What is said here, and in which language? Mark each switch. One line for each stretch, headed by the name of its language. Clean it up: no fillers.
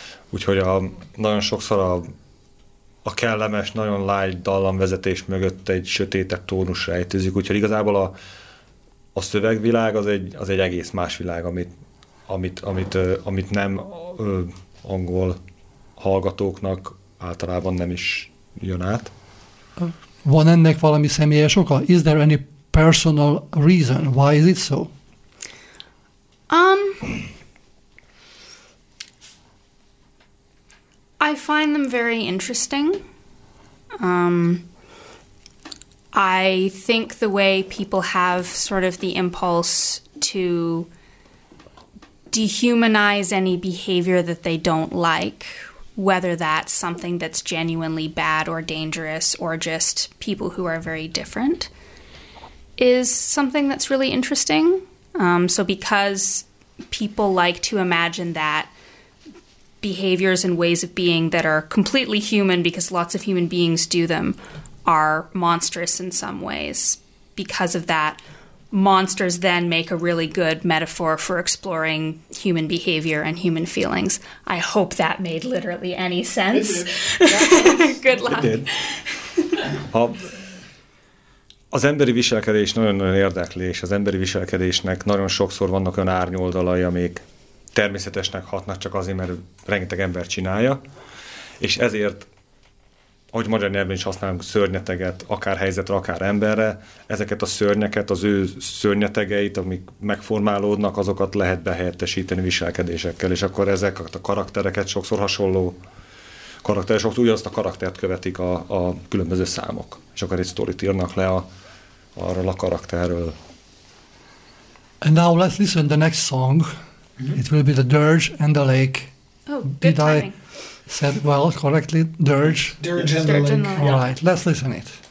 Hungarian: Úgyhogy nagyon sokszor a kellemes, nagyon lágy dallamvezetés mögött egy sötétebb tónus rejtőzik, úgyhogy igazából a szövegvilág az egy egész más világ, amit nem angol hallgatóknak általában nem is jön át. Van ennek valami személyes oka?
English: Is there any personal reason? Why is it so? I find them very interesting. I think the way people have sort of the impulse to dehumanize any behavior that they don't like, whether that's something that's genuinely bad or dangerous or just people who are very different, is something that's really interesting. So because people like to imagine that behaviors and ways of being that are completely human because lots of human beings do them are monstrous in some ways. Because of that, monsters then make a really good metaphor for exploring human behavior and human feelings. I hope that made literally any sense. Good luck. It did.
Hungarian: Az emberi viselkedés nagyon-nagyon érdekli, és az emberi viselkedésnek nagyon sokszor vannak olyan árnyoldalai, amik természetesnek hatnak csak azért, mert rengeteg ember csinálja, és ezért, ahogy magyar nyelven is használunk szörnyeteget, akár helyzetre, akár emberre, ezeket a szörnyeket, az ő szörnyetegeit, amik megformálódnak, azokat lehet behelyettesíteni viselkedésekkel, és akkor ezek a karaktereket sokszor hasonló karakterek, sokszor ugyanazt a karaktert követik a különböző számok, és akkor egy sztorit írnak le arról a karakterről.
English: And now let's listen to the next song. Mm-hmm. It will be the dirge and the lake. Oh, good Did I said well correctly? Dirge. Dirge and the lake. All right, let's listen it.